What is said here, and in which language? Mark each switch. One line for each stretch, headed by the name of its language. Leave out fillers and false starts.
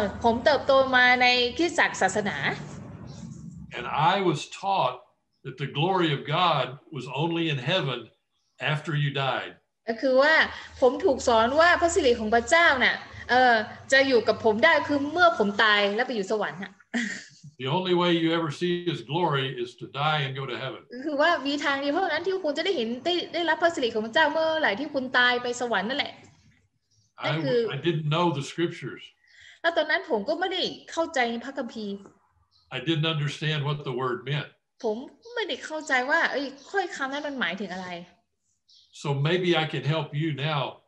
Thai: ผมเติบโตมาในคริสตจักรศาสนา
English: and I was taughtThat the glory of God was only in heaven after you died.
Thai: คือว่าผมถูกสอนว่าพระสิริของพระเจ้าน่ะจะอยู่กับผมได้คือเมื่อผมตายแล้วไปอยู่สวรรค์น่ะ
English: The only way you ever see His glory is to die and go to heaven.
Thai: คือว่ามีทางเดียวเท่านั้นที่คุณจะได้เห็นได้รับพระสิริของพระเจ้าเมื่อไหร่ที่คุณตายไปสวรรค์นั่นแหละนั่นคือ
English: I didn't know the scriptures.
Thai: แล้วตอนนั้นผมก็ไม่ได้เข้าใจในพระคัมภีร์
English: I didn't understand what the word meant.
Thai: ผมไม่ได้เข้าใจว่าเอ้ยค่อยคำนั้นมันหมายถึงอะไร
English: So maybe I can help you now